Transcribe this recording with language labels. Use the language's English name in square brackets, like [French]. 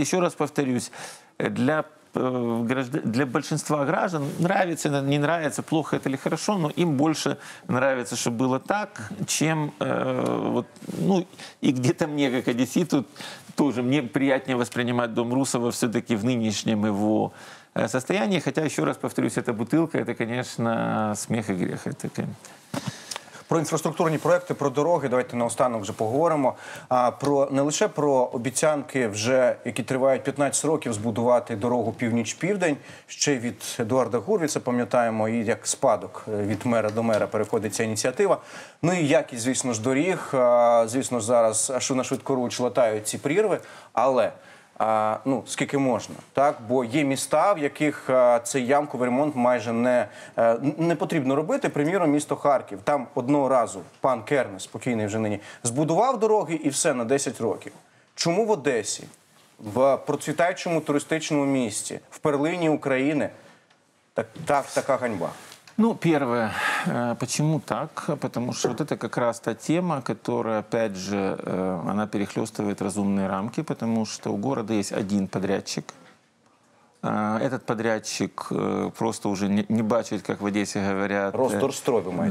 [Russian] Еще раз повторюсь, для большинства граждан нравится, не нравится, плохо это или хорошо, но им больше нравится, чтобы было так, чем вот, ну, и где-то мне, как одесситу, тоже мне приятнее воспринимать дом Русова все-таки в нынешнем его состояние, хотя, еще раз повторюсь, эта бутылка, это, конечно, смех и грех. [Ukrainian] Про інфраструктурні проекти, про дороги, давайте наостанок вже поговоримо. А про не лише про обіцянки, вже які тривають 15 років, збудувати дорогу північ-південь, ще від Едуарда Гурвіца, пам'ятаємо, і як спадок від мера до мера переходить ця ініціатива. Ну і якість, звісно ж, доріг. Звісно ж, зараз на швидкоруч латають ці прірви, але ну, скільки можна, так? Бо є міста, в яких цей ямковий ремонт майже не потрібно робити. Приміром, місто Харків. Там одного разу пан Керне, спокійний вже нині, збудував дороги і все на 10 років. Чому в Одесі, в процвітаючому туристичному місті, в перлині України, така ганьба? [Russian] Ну, первое, почему так? Потому что вот это как раз та тема, которая, опять же, она перехлёстывает разумные рамки, потому что у города есть один подрядчик. Этот подрядчик просто уже не бачит, как в Одессе говорят... Росторстрой, думаю.